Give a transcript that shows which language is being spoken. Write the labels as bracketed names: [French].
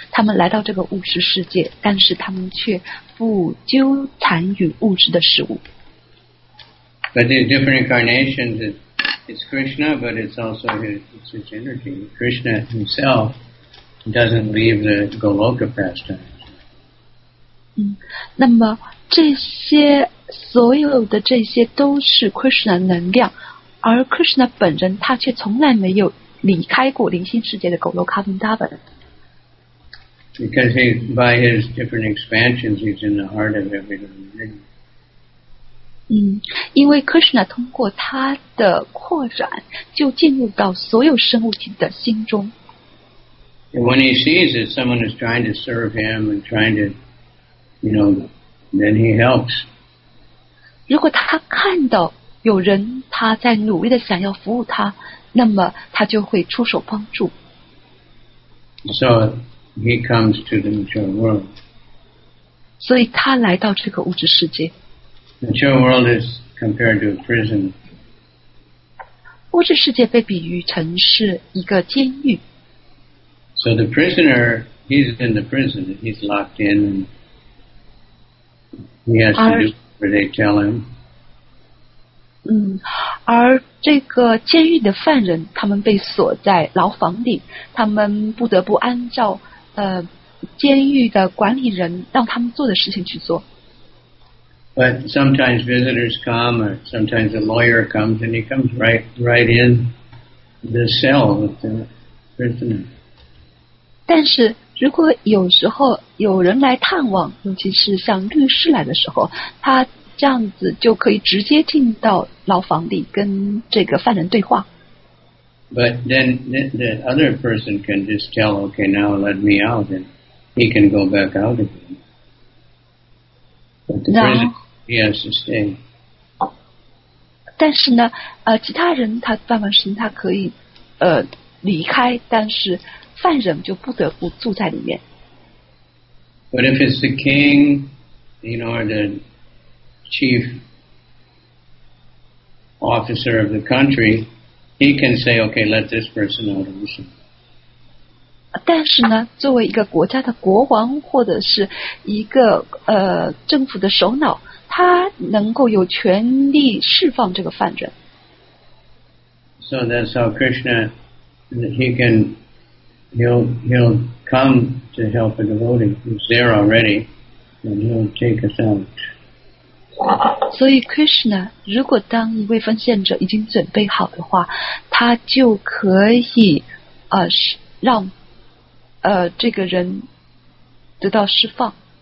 [Chinese] 他们来到这个物质世界，但是他们却不纠缠于物质的事物。 [English] But the different incarnations, it's Krishna, but it's also his energy. Krishna himself doesn't leave the Goloka pastimes. [Chinese] 那么这些所有的这些都是 Krishna 的能量，而 Krishna 本人他却从来没有离开过灵性世界的Goloka Vrindavan。 [English] Because he, by his different expansions, he's in the heart of every living being. [Chinese] 因为 Krishna 通过他的扩展，就进入到所有生物体的心中。 [English] When he sees that someone is trying to serve him and trying to, you know, then he helps. [Chinese] 如果他看到有人他在努力的想要服务他，那么他就会出手帮助。 [English] So he comes to the material world. [Chinese] 所以他来到这个物质世界。 [English] The material world is compared to a prison. [Chinese] 物质世界被比喻成是一个监狱。 [English] So the prisoner, he's in the prison, he's locked in, and he has to do. They tell him. [Chinese] 而这个监狱的犯人，他们被锁在牢房里，他们不得不按照监狱的管理人让他们做的事情去做。 [English] But sometimes visitors come, or sometimes a lawyer comes, and he comes right in the cell with the prisoner. [Chinese] 但是如果有时候有人来探望，尤其是像律师来的时候，他这样子就可以直接进到牢房里跟这个犯人对话。 [English] But then the other person can just tell, okay, now let me out, and he can go back out again. But the prisoner, he has to stay. [Chinese] 但是呢，其他人他办完事情他可以离开，但是犯人就不得不住在里面。 [English] But if it's the king, you know, the chief officer of the country, he can say, okay, let this person out of mission. [Chinese] 但是呢，作为一个国家的国王或者是一个政府的首脑，他能够有权利释放这个犯人。 [English] So that's how Krishna, he'll come to help a devotee who's there already, and he'll take us out. [Chinese] 所以 Krishna 如果当一位奉献者已经准备好的话，他就可以让这个人得到释放。